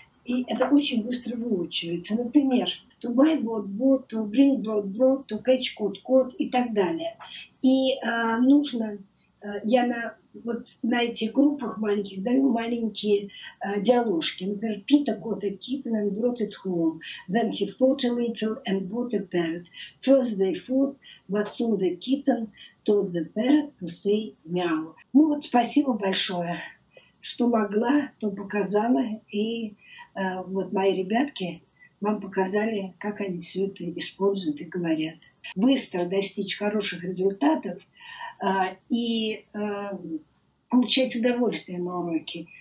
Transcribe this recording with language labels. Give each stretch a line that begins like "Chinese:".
Russian: И это очень быстро выучивается. Например,
English: to buy bought, to bring brought, to catch caught
Russian: и так далее. И нужно, я на этих группах маленьких даю маленькие диаложки.
English: Например, Peter got a kitten and brought it home. Then he fought a little and bought a parrot. First they fought, but soon the kitten told the parrot to say meow.
Russian: Ну вот, спасибо большое, что могла, то показала. И вот мои ребятки вам показали, как они все это используют и говорят. Быстро достичь хороших результатов и получать удовольствие на уроке.